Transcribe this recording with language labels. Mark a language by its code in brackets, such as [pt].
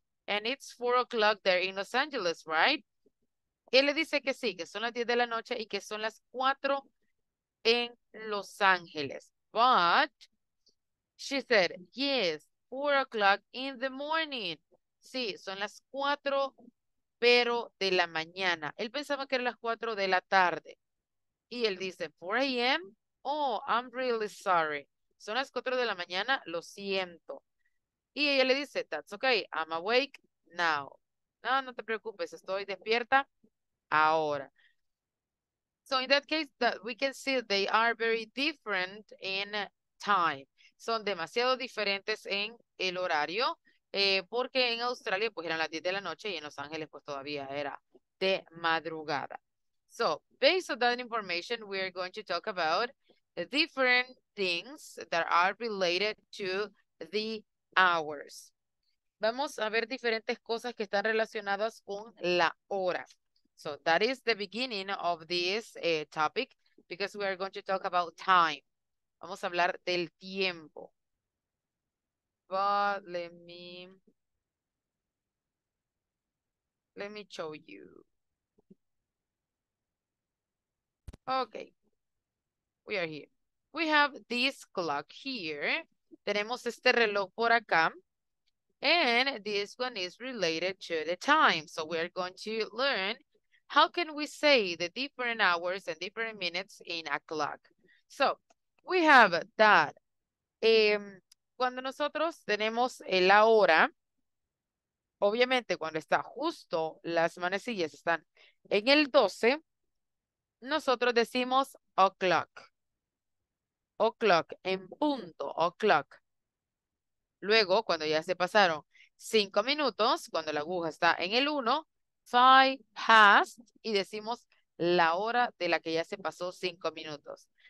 [en] and it's 4 o'clock there in Los Angeles, right? [es] Él le dice que sí, que son las 10 de la noche y que son las 4 en Los Ángeles. [en] But she said, yes, 4 o'clock in the morning. [es] Sí, son las 4, pero de la mañana. Él pensaba que eran las 4 de la tarde. Y él dice, [en] 4 a.m.? Oh, I'm really sorry. [es] Son las 4 de la mañana, lo siento. Y ella le dice, [en] that's okay, I'm awake now. [es] No, no te preocupes, estoy despierta ahora. [en] So in that case, that we can see they are very different in time. [es] Son demasiado diferentes en el horario, porque en Australia pues eran las 10 de la noche y en Los Ángeles pues todavía era de madrugada. [en] So based on that information, we are going to talk about the different things that are related to the hours. [es] Vamos a ver diferentes cosas que están relacionadas con la hora. [en] So that is the beginning of this topic because we are going to talk about time. [es] Vamos a hablar del tiempo. [en] But let me show you. Okay. We are here. We have this clock here. [es] Tenemos este reloj por acá. [en] And this one is related to the time. So we are going to learn how can we say the different hours and different minutes in a clock. So we have that. [es] Cuando nosotros tenemos la hora, obviamente cuando está justo, las manecillas están en el 12, nosotros decimos o'clock. O'clock, en punto, o'clock. Luego, cuando ya se pasaron 5 minutos, cuando la aguja está en el 1, 5 past, y decimos la hora de la que ya se pasó 5 minutos.